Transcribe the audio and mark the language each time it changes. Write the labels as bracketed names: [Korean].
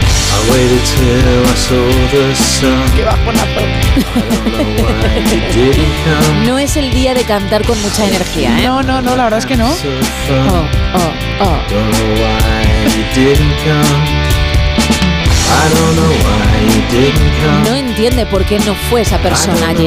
[English] I waited till I saw the sun. [Spanish] Qué bajonazo. No es el día de cantar con mucha energía, ¿eh? No, no, no, la verdad es que no. Oh, oh, oh. [English] I don't know why you didn't come. I don't know why you didn't come. [Spanish] No entiende por qué no fue esa persona allí.